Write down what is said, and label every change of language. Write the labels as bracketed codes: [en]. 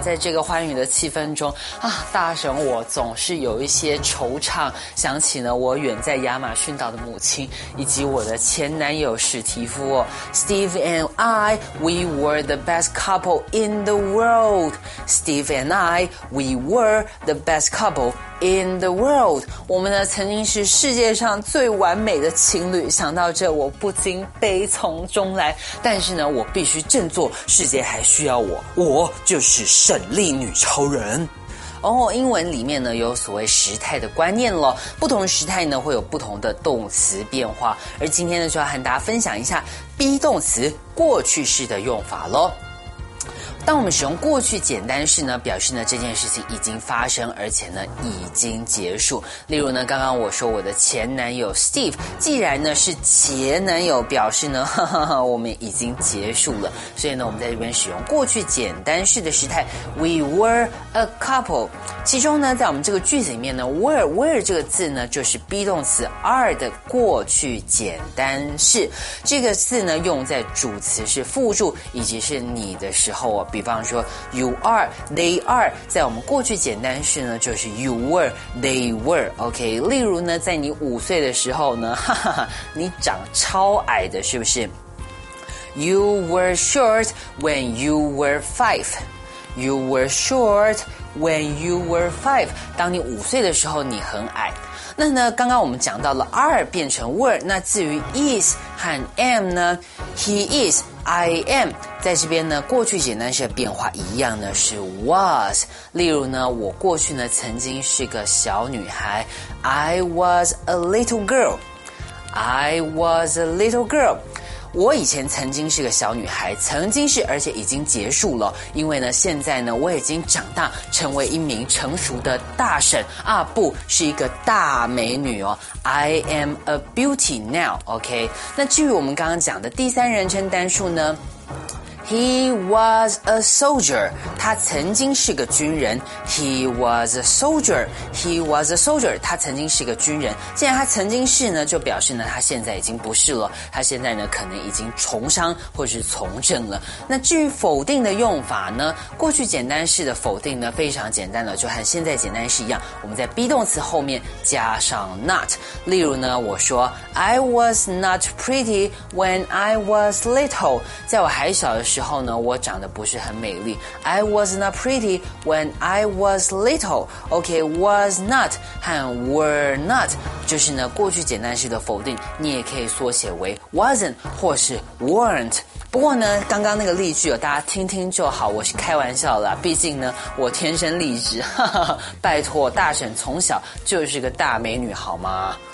[zh] 在这个欢愉的气氛中啊，大神，我总是有一些惆怅，想起呢我远在亚马逊岛的母亲，以及我的前男友史蒂夫。 [en] Steve and I, we were the best couple in the world. Steve and I, we were the best couple. In the world, [zh] 我们呢曾经是世界上最完美的情侣。想到这，我不禁悲从中来。但是呢，我必须振作，世界还需要我，我就是胜利女超人。哦，英文里面呢有所谓时态的观念了，不同时态呢会有不同的动词变化。而今天呢，就要和大家分享一下 be 动词过去式的用法咯。当我们使用过去简单式呢，表示呢这件事情已经发生，而且呢已经结束。例如呢，刚刚我说我的前男友 Steve， 既然呢是前男友，表示呢哈哈哈，我们已经结束了。所以呢，我们在这边使用过去简单式的时态 ， [en] We were a couple。 [zh] 其中呢，在我们这个句子里面呢 ，were 这个字呢就是 be 动词 are 的过去简单式。这个字呢用在主词是复数以及是你的时候啊。比方说 [en] you are, they are， [zh] 在我们过去简单式呢就是 [en] you were, they were。 [zh] OK， 例如呢在你五岁的时候呢，哈哈哈，你长超矮的，是不是？ [en] You were short when you were five. You were short when you were five. [zh] 当你五岁的时候你很矮。那呢刚刚我们讲到了 are 变成 were， 那至于 is 和 am 呢， [en] he is,I am， [zh] 在这边呢过去简单式的变化一样呢是 was。例如呢，我过去呢曾经是个小女孩， [en] I was a little girl， I was a little girl。 [zh] 我以前曾经是个小女孩，曾经是，而且已经结束了，因为呢现在呢我已经长大成为一名成熟的大婶啊，不是一个大美女哦， [en] I am a beauty now, OK? [zh] 那至于我们刚刚讲的第三人称单数呢？ [en] He was a soldier. [zh] 他曾经是个军人。 [en] He was a soldier. He was a soldier. [zh] 他曾经是个军人。既然他曾经是呢，就表示呢，他现在已经不是了。他现在呢，可能已经重伤或是从政了。那至于否定的用法呢？过去简单式的否定呢，非常简单的，就和现在简单式一样。我们在 be 动词后面加上 not。例如呢，我说 [en] I was not pretty when I was little. [zh] 在我还小的时候呢，我长得不是很美丽。 [en] I was not pretty when I was little. [zh] OK, was not 和 were not 就是呢过去简单式的否定，你也可以缩写为 wasn't 或是 weren't。不过呢刚刚那个例句哦，大家听听就好，我是开玩笑啦，毕竟呢我天生丽质，哈哈，拜托，大婶从小就是个大美女好吗？